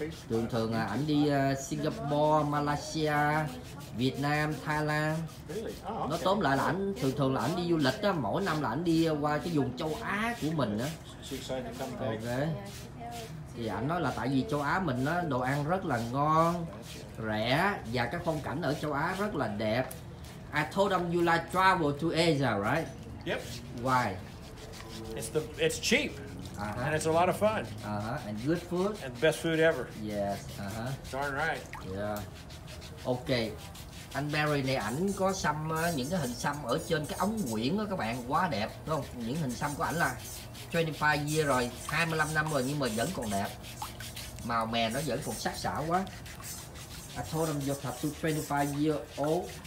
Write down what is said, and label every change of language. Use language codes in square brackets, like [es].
[vi] Thường thường là ảnh đi Singapore, Malaysia, Việt Nam, Thái Lan. Nó tóm lại là ảnh thường thường là ảnh đi du lịch á, mỗi năm là ảnh đi qua cái vùng châu Á của mình á. Ok. Thì ảnh nói là tại vì châu Á mình á, đồ ăn rất là ngon, rẻ và cái phong cảnh ở châu Á rất là đẹp. [en] I told them you like travel to Asia, right? Yep. Why? It's cheap. Uh-huh. And it's a lot of fun. Uh-huh. And good food. And best food ever. Yes. Uh-huh. Darn right. Yeah. Okay. [vi] Anh Barry này ảnh có xăm những cái hình xăm ở trên cái ống nguyễn đó các bạn, quá đẹp đúng không? Những hình xăm của ảnh là 25 year rồi, 25 năm rồi nhưng mà vẫn còn đẹp. Màu mè nó vẫn còn sắc sảo quá. [en] I told them you have to 25 year old.